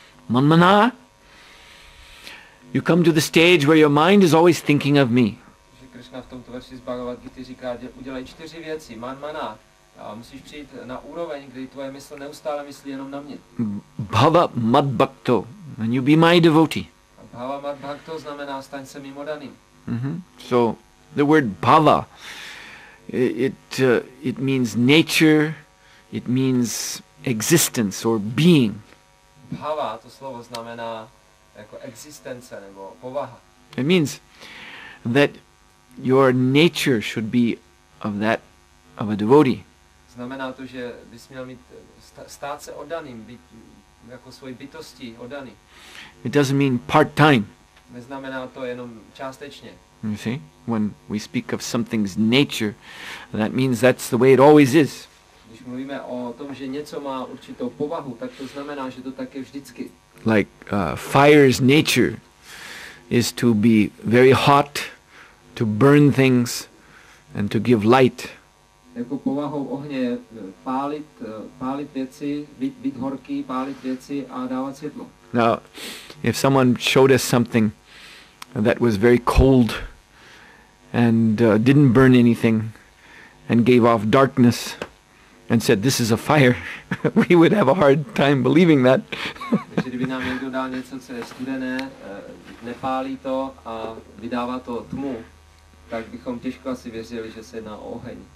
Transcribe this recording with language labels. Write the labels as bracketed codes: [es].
[en] Manmana, you come to the stage where your mind is always thinking of me. [cs] Krishna v tomto verši z Bhagavad Gita říká, udělej čtyři věci, manmana, musíš přijít na úroveň, kdy tvoje mysl neustále myslí jenom na mě. [sa] Bhava mad bhakto, [en] and you be my devotee. [sa] Bhava mad bhakto [cs] znamená, staň se mým oddaným. [en] So, the word bhava, it means nature, it means existence or being. [cs] Bhava, to slovo znamená jako existence nebo povaha. [en] It means that your nature should be of that of a devotee. [cs] Znamená to, že bys měl mít stát se oddaným, být jako svoji bytosti oddaný. [en] It doesn't mean part-time. [cs] Neznamená to jenom částečně. [en] You see, when we speak of something's nature, that means that's the way it always is. [cs] Když mluvíme o tom, že něco má určitou povahu, tak to znamená, že to tak je vždycky. [en] Like fire's nature is to be very hot, to burn things and to give light. [cs] Jako povahou ohně pálit věci, být horký, pálit věci a dávat světlo. [en] Now, if someone showed us something that was very cold and didn't burn anything and gave off darkness and said, this is a fire, we would have a hard time believing that. [cs] Takže kdyby nám někdo dal něco, co je studené, nepálí to a vydává to tmu, tak bychom těžko asi věřili, že se jedná o oheň.